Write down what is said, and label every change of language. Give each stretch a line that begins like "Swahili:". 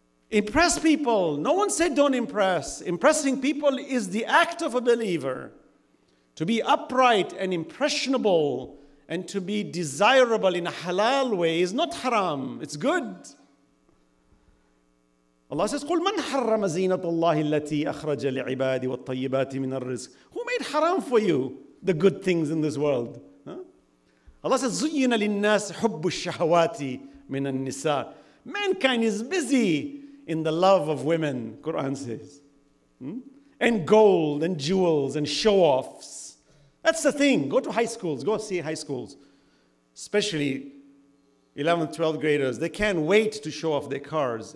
English: Impress people. No one said don't impress. Impressing people is the act of a believer. To be upright and impressionable and to be desirable in a halal way is not haram. It's good. Allah says,
Arabic: قُلْ مَنْ حَرَّمَ زِينَةَ اللَّهِ الَّتِي أَخْرَجَ لِعِبَادِ وَالطَّيِّبَاتِ مِنَ الرِّزْقِ.
English: Who made haram for you the good things in this world? Huh? Allah says,
Arabic: زُيِّنَ لِلنَّاسِ حُبُّ الشَّهَوَاتِ مِنَ النِّسَاءِ.
English: Mankind is busy in the love of women, Quran says. And gold and jewels and show-offs. That's the thing. Go to high schools. Go see high schools. Especially 11th, 12th graders. They can't wait to show off their cars.